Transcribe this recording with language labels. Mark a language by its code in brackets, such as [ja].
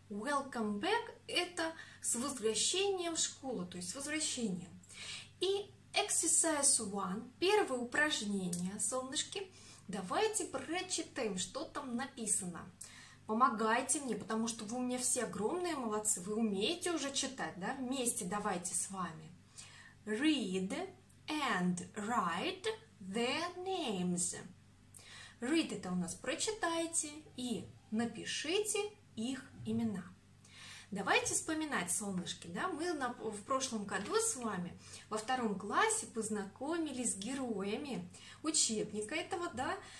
[en] «Welcome back» [ru] — это с возвращением в школу, то есть с возвращением. И [en] exercise one, [ru] первое упражнение, солнышки. Давайте прочитаем, что там написано. Помогайте мне, потому что вы у меня все огромные молодцы. Вы умеете уже читать, да? Вместе давайте с вами. [en] Read and write their names. [ru] Read — это у нас прочитайте и напишите их имена. Давайте вспоминать, солнышки, да? Мы в прошлом году с вами во втором классе познакомились с героями учебника этого, да?